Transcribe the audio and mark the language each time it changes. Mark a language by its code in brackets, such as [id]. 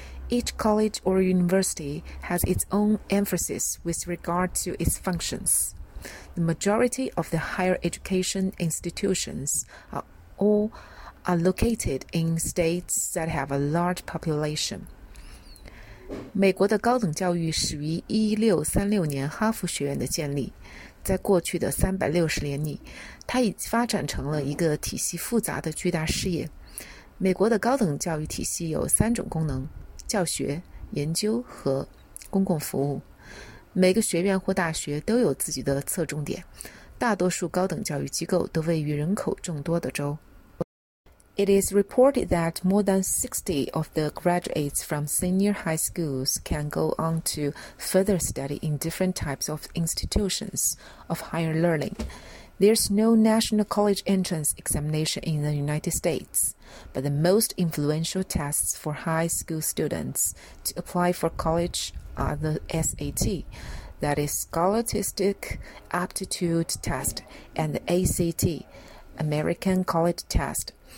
[en] Each college or university has its own emphasis with regard to its functions. The majority of the higher education institutions are located in states that have a large population. [zh] 美国的高等教育始于1636年哈佛学院的建立，在过去的360年里，它已发展成了一个体系复杂的巨大事业。美国的高等教育体系有三种功能：教学、研究和公共服务。每个学院或大学都有自己的侧重点，大多数高等教育机构都位于人口众多的州。 [en] It is reported that more than 60 of the graduates from senior high schools can go on to further study in different types of institutions of higher learning. There's no national college entrance examination in the United States, but the most influential tests for high school students to apply for college are the SAT, that is Scholastic Aptitude Test, and the ACT, American College Test.